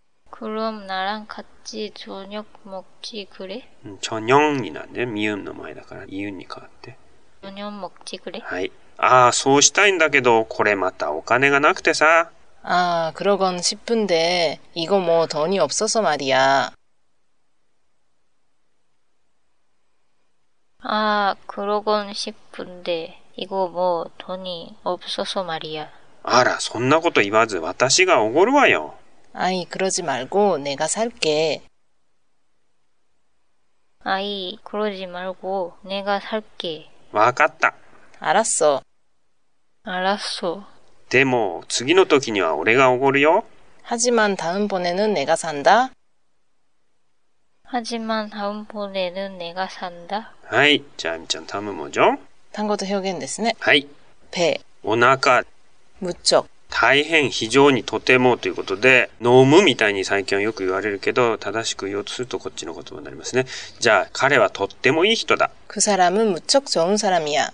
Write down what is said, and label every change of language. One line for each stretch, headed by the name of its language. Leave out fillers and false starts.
Korean: 그럼나랑같이저녁먹지그래?
Japanese: 저녁になんで、미음の前だから、이음に変わって。
Korean: 저녁먹지그래?
Japanese: はい。ああ、そうしたいんだけど、これまたお金がなくてさ。
Korean: ああ、그러곤싶은데、이거뭐돈이없어서말이야。 아그러곤싶은데이거뭐돈이없어서말이야
Japanese: 아라そんなこと言わず私がおごるわよ
Korean: 아이그러지말고내가살게 아이그러지말고내가살게
Japanese: わかった
Korean: 알았어 알았어
Japanese: でも次の時には俺がおごるよ
Korean: 하지만다음번에는내가산다 하지만다음번에는내가산다
Japanese: はい。じゃあ、みちゃん、タムもじょん。単語と表現ですね。はい。ペ。お腹。むちょ。大変、非常に、とてもということで、飲むみたいに最近はよく言われるけど、正しく言おうとするとこっちの言葉になりますね。じゃあ、彼はとってもいい人だ。
Korean: 그사람은むちょく좋은사람이야。